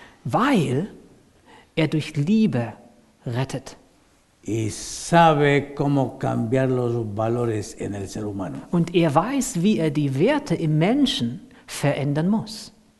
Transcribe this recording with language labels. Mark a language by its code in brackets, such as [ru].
[de] Weil er durch Liebe rettet. [es] Y sabe cómo cambiar los valores en el ser humano. [de] Und er weiß, wie er die Werte im Menschen verändern muss.